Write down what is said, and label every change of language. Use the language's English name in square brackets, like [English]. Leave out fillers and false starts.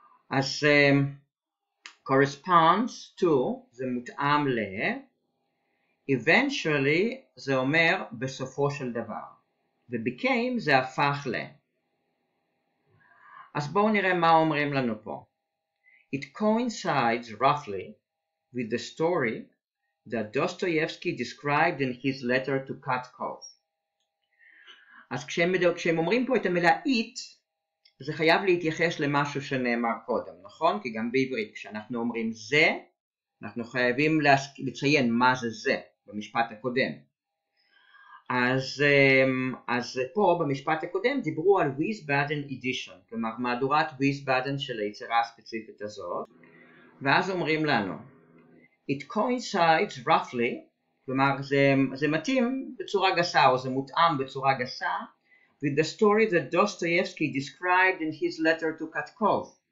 [Hebrew] אז corresponds to, זה מותאם ל, eventually זה אומר בסופו של דבר, ובקיים זה הפך ל. אז בואו נראה מה אומרים לנו פה. [English] It coincides roughly with the story that Dostoevsky described in his letter to Katkov. [Hebrew] אז כשהם אומרים פה את המילה it, זה חייב להתייחס למשהו שנאמר קודם, נכון? כי גם בעברית כשאנחנו אומרים זה, אנחנו חייבים לציין מה זה זה במשפט הקודם. אז פה במשפט הקודם דיברו על Wiesbaden edition, כלומר מהדורת Wiesbaden של היצירה הספציפית הזאת, ואז אומרים לנו, [English] it coincides roughly, [Hebrew] כלומר זה מתאים בצורה גסה או זה מותאם בצורה גסה, [English] with the story that Dostoevsky described in his letter to Katkov.